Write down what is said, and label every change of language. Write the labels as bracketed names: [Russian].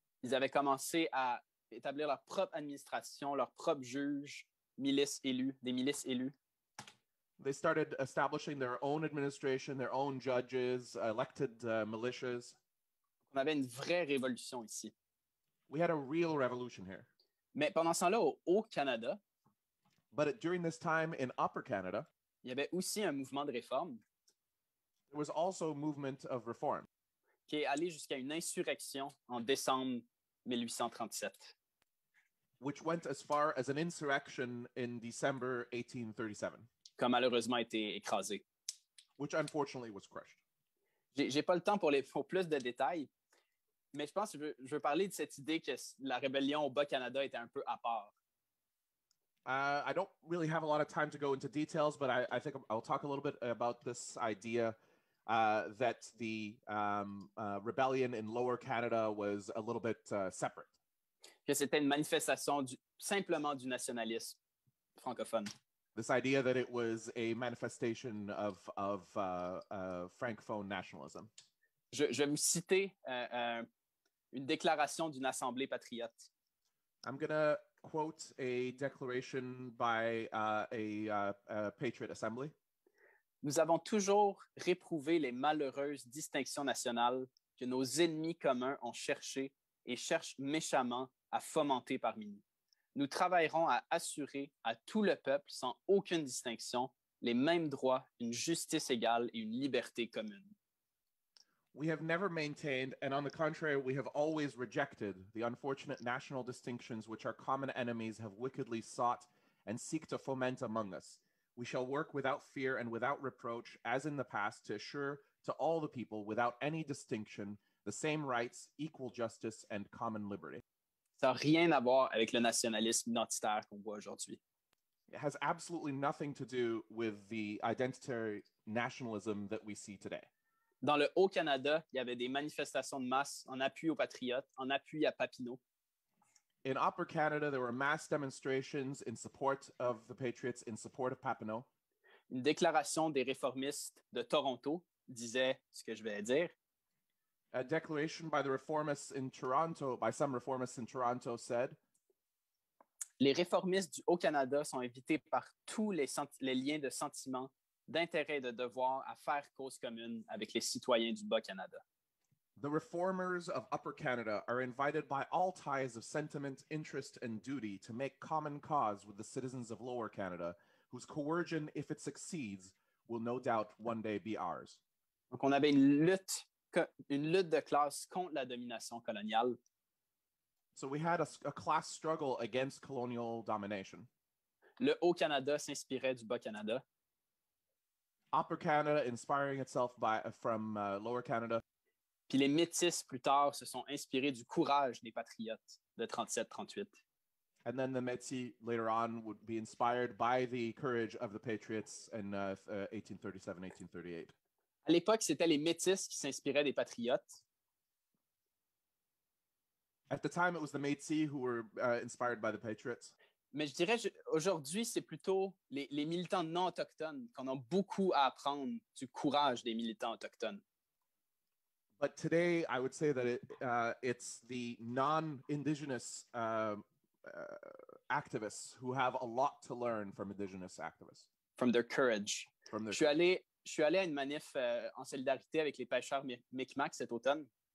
[French] Ils avaient commencé à établir leur propre administration, leurs propres juges, des milices élues. [English] They started establishing their own administration, their own judges, elected militias. [French] On avait une vraie révolution ici. [English] We had a real revolution here. [French] Mais pendant ce temps-là, au Canada, [English] but during this time in Upper Canada, [French] il y avait aussi un mouvement de réforme. [English] There was also a movement of reform. [French] Qui est allé jusqu'à une insurrection en décembre 1837. [English] Which went as far as an insurrection in December 1837. [French] Qui a malheureusement été écrasé. [English] Which unfortunately was crushed. [French] J'ai pas le temps pour plus de détails, mais je pense que je veux parler de cette idée que la rébellion au Bas-Canada était un peu à part. [English] I don't really have a lot of time to go into details, but I think I'll talk a little bit about this idea that the rebellion in Lower Canada was a little bit separate. [French] Que c'était une manifestation simplement du nationalisme francophone. [English] This idea that it was a manifestation of francophone nationalism. [French] Je vais vous citer une déclaration d'une assemblée patriote. [English] I'm going to quote a declaration by a patriot assembly. [French] Nous avons toujours réprouvé les malheureuses distinctions nationales que nos ennemis communs ont cherchées et cherchent méchamment à fomenter parmi nous. Nous travaillerons à assurer à tout le peuple, sans aucune distinction, les mêmes droits, une justice égale et une liberté commune. [English] We have never maintained, and on the contrary, we have always rejected the unfortunate national distinctions which our common enemies have wickedly sought and seek to foment among us. We shall work without fear and without reproach, as in the past, to assure to all the people, without any distinction, the same rights, equal justice, and common liberty. [French] Ça n'a rien à voir avec le nationalisme identitaire qu'on voit aujourd'hui. [English] It has absolutely nothing to do with the identitary nationalism that we see today. [French] Dans le Haut-Canada, il y avait des manifestations de masse en appui aux patriotes, en appui à Papineau. [English] In Upper Canada, there were mass demonstrations in support of the Patriots, in support of Papineau. [French] Une déclaration des réformistes de Toronto disait ce que je vais dire. [English] A declaration by the reformists in Toronto, by some reformists in Toronto said, [French] les réformistes du Haut-Canada sont invités par tous les liens de sentiment, d'intérêt et de devoir à faire cause commune avec les citoyens du Bas-Canada. [English] The reformers of Upper Canada are invited by all ties of sentiment, interest, and duty to make common cause with the citizens of Lower Canada, whose coercion, if it succeeds, will no doubt one day be ours. [French] Donc on avait une lutte de classe contre la domination coloniale. [English] So we had a class struggle against colonial domination. [French] Le Haut-Canada s'inspirait du Bas-Canada. [English] Upper Canada inspiring itself by from Lower Canada. [French] Puis les Métis, plus tard, se sont inspirés du courage des patriotes de 37-38. [English] And then the Métis, later on, would be inspired by the courage of the patriots in 1837-1838. [French] À l'époque, c'était les Métis qui s'inspiraient des patriotes. [English] At the time, it was the Métis who were inspired by the patriots. [French] Mais je dirais, aujourd'hui, c'est plutôt les militants non autochtones qu'on a beaucoup à apprendre du courage des militants autochtones. [English] But today, I would say that it's the non-Indigenous activists who have a lot to learn from Indigenous activists. From their courage. From their [French] je suis allé à une manif en solidarité avec les pêcheurs Mi'kmaq cet automne.